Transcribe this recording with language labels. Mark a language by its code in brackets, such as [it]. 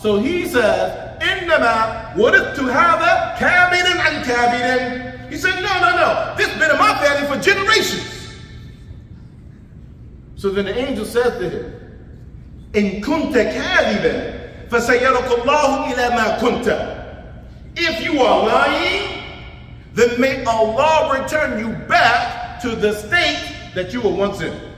[en] So he says, [ar] إِنَّمَا وُرِثْتُ هَذَا كَابِرًا عَنْ كَابِرًا. [en] He said, no. This has been in my family for generations. So then the angel said to him, [ar] إِنْ كُنْتَ كَاذِبًا فَسَيَّرَكُ اللَّهُ إِلَى مَا كُنْتَ. [en] If you are lying, then may Allah return you back to the state that you were once in.